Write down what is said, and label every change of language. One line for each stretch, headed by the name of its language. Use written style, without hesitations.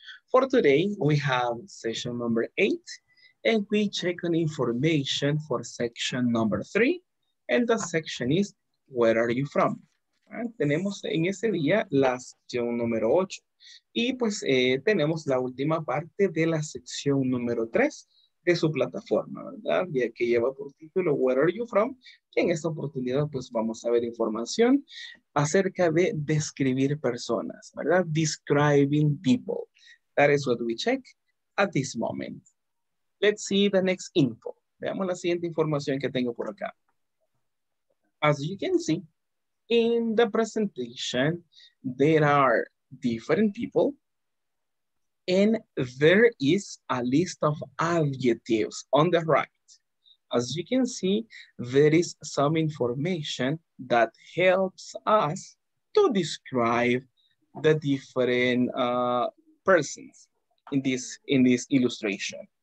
English: For today, we have session number 8, and we check on information for section number 3, and the section is, where are you from? Right?
Spanish: Tenemos en ese día la sección número 8, y pues tenemos la última parte de la sección número 3 de su plataforma, ¿verdad? Ya que lleva por título,
English: where are you from?
Spanish: Y en esta oportunidad, pues vamos a ver información acerca de describir personas, ¿verdad?
English: Describing people. That is what we check at this moment. Let's see the next info.
Spanish: Veamos la siguiente información que tengo por acá.
English: As you can see, in the presentation, there are different people and there is a list of adjectives on the right. As you can see, there is some information that helps us to describe the different persons in this illustration.